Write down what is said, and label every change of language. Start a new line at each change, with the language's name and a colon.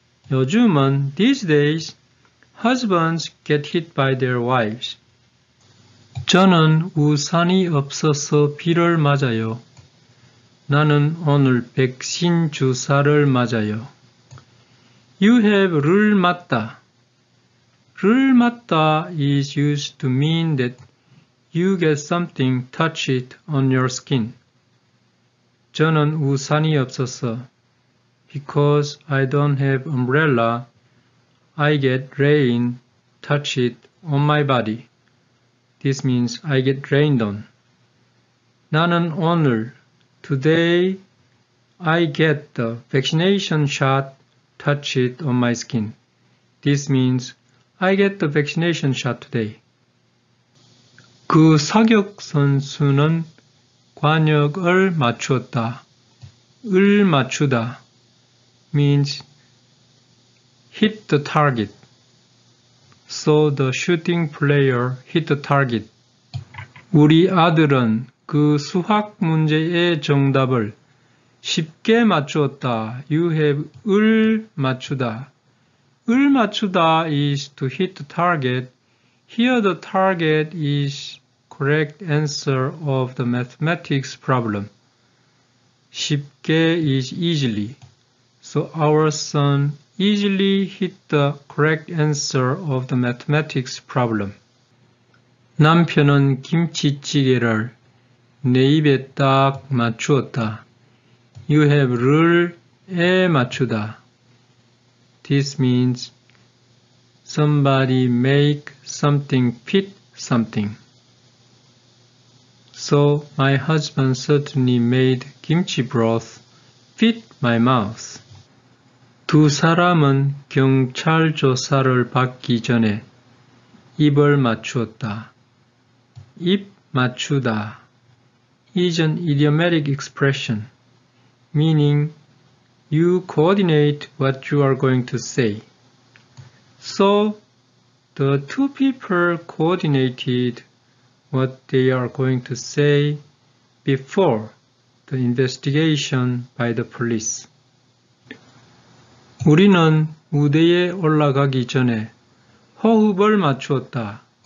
Korean: 요즘은
English: these days, Husbands get hit by their wives.
Korean: 저는 우산이 없어서 비를 맞아요. 나는 오늘 백신 주사를 맞아요.
English: You have
Korean: 를 맞다. 를 맞다
English: is used to mean that you get something touch it on your skin.
Korean: 저는 우산이 없어서
English: because I don't have umbrella. I get rain, touch it on my body. This means I get rained on.
Korean: 나는 오늘,
English: today, I get the vaccination shot, touch it on my skin. This means I get the vaccination shot today.
Korean: 그 사격 선수는 관역을 맞추었다. 을 맞추다
English: means hit the target. So the shooting player hit the target.
Korean: 우리 아들은 그 수학 문제의 정답을 쉽게 맞추었다.
English: You have
Korean: 을 맞추다. 을 맞추다
English: is to hit the target. Here the target is correct answer of the mathematics problem.
Korean: 쉽게
English: is easily. So our son easily hit the correct answer of the mathematics problem.
Korean: 남편은 김치찌개를 내 입에 딱 맞추었다.
English: You have
Korean: 를 에 맞추다.
English: This means somebody make something fit something. So my husband certainly made kimchi broth fit my mouth.
Korean: 두 사람은 경찰 조사를 받기 전에 입을 맞추었다. 입 맞추다
English: is an idiomatic expression, meaning you coordinate what you are going to say. So, the two people coordinated what they are going to say before the investigation by the police.
Korean: 우리는 무대에 올라가기 전에 호흡을 맞추었다.